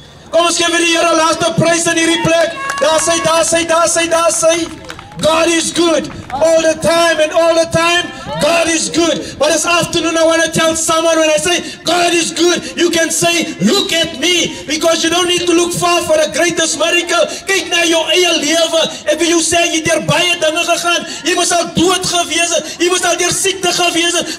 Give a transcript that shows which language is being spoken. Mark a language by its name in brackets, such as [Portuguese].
[Afrikaans] Kom ons gee vir die Here laaste prys in hierdie plek. Daar sê. [English] God is good all the time and all the time. God is good. But this afternoon I want to tell someone, when I say God is good, you can say, look at me. Because you don't need to look far for the greatest miracle. [Afrikaans] Kyk na jou eie lewe. En wil jy sê jy het deur baie dinge gegaan. Jy moes al dood gewees het. Jy moes al deur siekte gewees het.